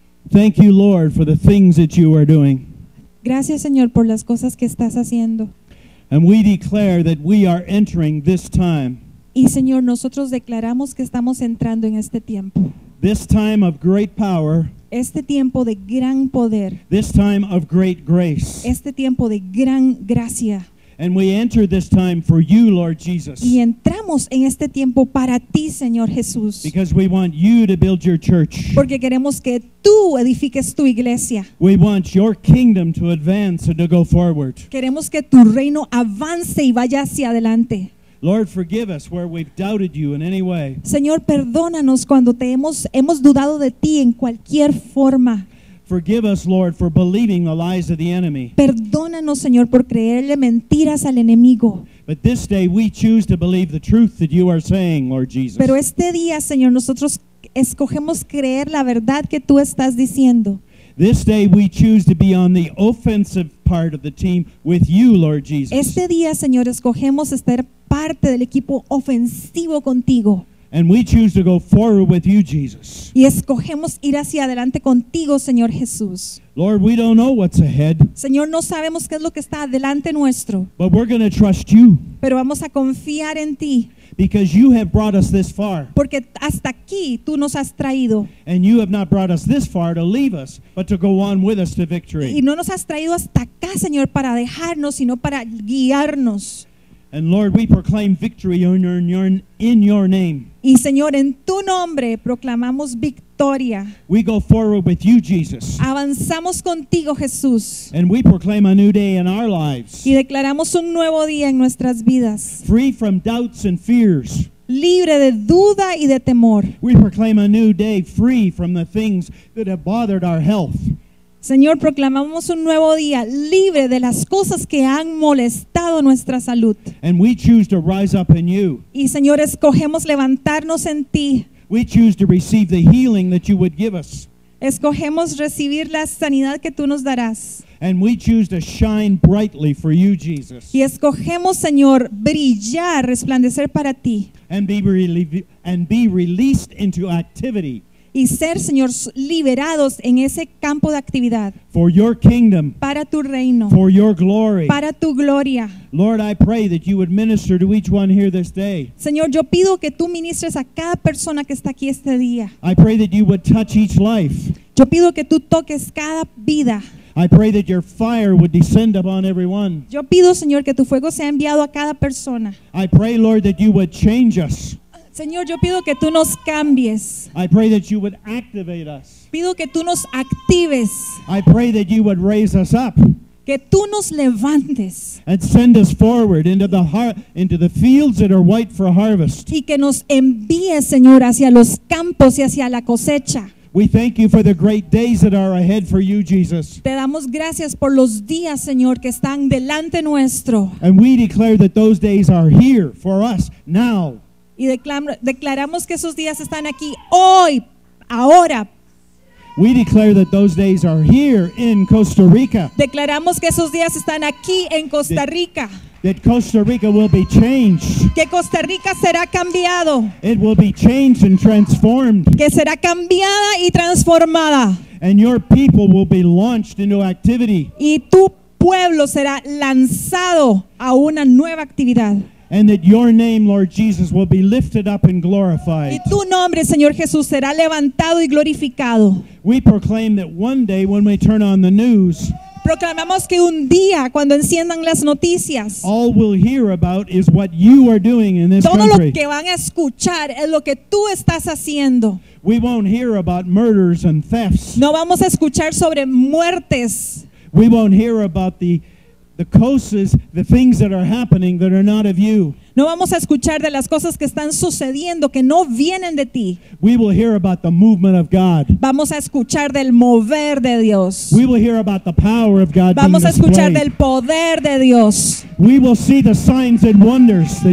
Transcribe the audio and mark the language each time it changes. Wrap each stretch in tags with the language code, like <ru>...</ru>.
<en>Thank you, Lord, for the things that you are doing.</en> <es>Gracias, Señor, por las cosas que estás haciendo.</es> <en>And we declare that we are entering this time.</en> <es>Y Señor, nosotros declaramos que estamos entrando en este tiempo.</es> <en>This time of great power.</en> <es>Este tiempo de gran poder.</es> <en>This time of great grace.</en> <es>Este tiempo de gran gracia.</es> <en>And we enter this time for you, Lord Jesus.</en> <es>Y entramos en este tiempo para ti, Señor Jesús.</es> <en>Because we want you to build your church.</en> <es>Porque queremos que tú edifiques tu iglesia.</es> <en>We want your kingdom to advance and to go forward.</en> <es>Queremos que tu reino avance y vaya hacia adelante.</es> <en>Lord, forgive us where we've doubted you in any way.</en> <es>Señor, perdónanos cuando hemos dudado de ti en cualquier forma.</es> <en>Forgive us, Lord, for believing the lies of the enemy.</en> <es>Perdónanos, Señor, por creerle mentiras al enemigo.</es> <en>But this day we choose to believe the truth that you are saying, Lord Jesus.</en> <es>Pero este día, Señor, nosotros escogemos creer la verdad que tú estás diciendo.</es> <en>This day we choose to be on the offensive part of the team with you, Lord Jesus.</en> <es>Este día, Señor, escogemos estar parte del equipo ofensivo contigo.</es> <en>And we choose to go forward with you, Jesus.</en> <es>Y escogemos ir hacia adelante contigo, Señor Jesús.</es> <en>Lord, we don't know what's ahead.</en> <es>Señor, no sabemos qué es lo que está adelante nuestro.</es> <en>But we're going to trust you.</en> <es>Pero vamos a confiar en ti.</es> <en>Because you have brought us this far.</en> <es>Porque hasta aquí tú nos has traído.</es> <en>And you have not brought us this far to leave us, but to go on with us to victory.</en> <es>Y no nos has traído hasta acá, Señor, para dejarnos, sino para guiarnos.</es> <en>And Lord, we proclaim victory in your name.</en> <es>Y Señor, en tu nombre proclamamos victoria.</es> <en>We go forward with you, Jesus.</en> <es>Avanzamos contigo, Jesús.</es> <en>And we proclaim a new day in our lives.</en> <es>Y declaramos un nuevo día en nuestras vidas.</es> <en>Free from doubts and fears.</en> <es>libre de duda y de temor.</es> <en>We proclaim a new day free from the things that have bothered our health.</en> <es>Señor, proclamamos un nuevo día libre de las cosas que han molestado nuestra salud.</es> <en>And we choose to rise up in you.</en> <es>Y Señor, escogemos levantarnos en ti.</es> <en>We choose to receive the healing that you would give us.</en> <es>Escogemos recibir la sanidad que tú nos darás.</es> <en>And we choose to shine brightly for you, Jesus.</en> <es>Y escogemos, Señor, brillar, resplandecer para ti.</es> <en>And be released into activity.</en> <es>Y ser, Señor, liberados en ese campo de actividad.</es> <en>For your kingdom.</en> <es>Para tu reino.</es> <en>For your glory.</en> <es>Para tu gloria.</es> <en>Lord, I pray that you would minister to each one here this day.</en> <es>Señor, yo pido que tú ministres a cada persona que está aquí este día.</es> <en>I pray that you would touch each life.</en> <es>Yo pido que tú toques cada vida.</es> <en>I pray that your fire would descend upon everyone.</en> <es>Yo pido, Señor, que tu fuego sea enviado a cada persona.</es> <en>I pray, Lord, that you would change us.</en> <es>Señor, yo pido que tú nos cambies.</es> <en>I pray that you would activate us.</en> <es>Pido que tú nos actives.</es> <en>I pray that you would raise us up.</en> <es>Que tú nos levantes.</es> <en>And send us forward into the fields that are white for harvest.</en> <es>Y que nos envíes, Señor, hacia los campos y hacia la cosecha.</es> <en>We thank you for the great days that are ahead for you, Jesus.</en> <es>Te damos gracias por los días, Señor, que están delante nuestro.</es> <en>And we declare that those days are here for us now.</en> <es>Y declaramos que esos días están aquí hoy, ahora.</es> <en>We declare that those days are here in Costa Rica.</en> <es>Declaramos que esos días están aquí en Costa Rica.</es> <en>That Costa Rica will be changed.</en> <es>Que Costa Rica será cambiado.</es> <en>It will be changed and transformed.</en> <es>Que será cambiada y transformada.</es> <en>And your people will be launched into activity.</en> <es>Y tu pueblo será lanzado a una nueva actividad.</es> <en>And that your name, Lord Jesus, will be lifted up and glorified.</en> <es>Y tu nombre, Señor Jesús, será levantado y glorificado.</es> <en>We proclaim that one day when we turn on the news,</en> <es>proclamamos que un día cuando enciendan las noticias,</es> <en>all we'll hear about is what you are doing in this</en> <es>todo</es> <en>country.</en> <es>Lo que van a escuchar es lo que tú estás haciendo.</es> <en>We won't hear about murders and thefts.</en> <es>No vamos a escuchar sobre muertes.</es> <en>We won't hear about the causes, the things that are happening that are not of you.</en> <es>No vamos a escuchar de las cosas que están sucediendo que no vienen de ti.</es> <en>We will hear about the movement of God.</en> <es>Vamos a escuchar del mover de Dios.</es> <en>We will hear about the power of God.</en> <es>Vamos a escuchar del poder de Dios.</es> <en>We will see the signs and wonders that</en>